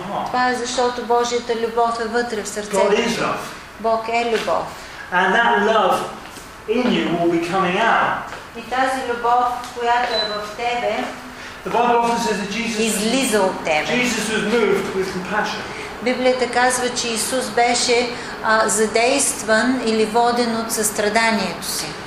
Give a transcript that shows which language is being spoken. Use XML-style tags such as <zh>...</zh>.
<bg>Това е защото Божията любов е вътре в сърцето. Бог е любов.</bg> <en>And that love in you will be coming out.</en> <bg>И тази любов, която е в тебе,</bg> <en>the Bible often says that Jesus</en> <bg>излиза от тебе.</bg> <en>Jesus was moved with compassion.</en> <bg>Библията казва, че Исус беше задействан или воден от състраданието си.</bg>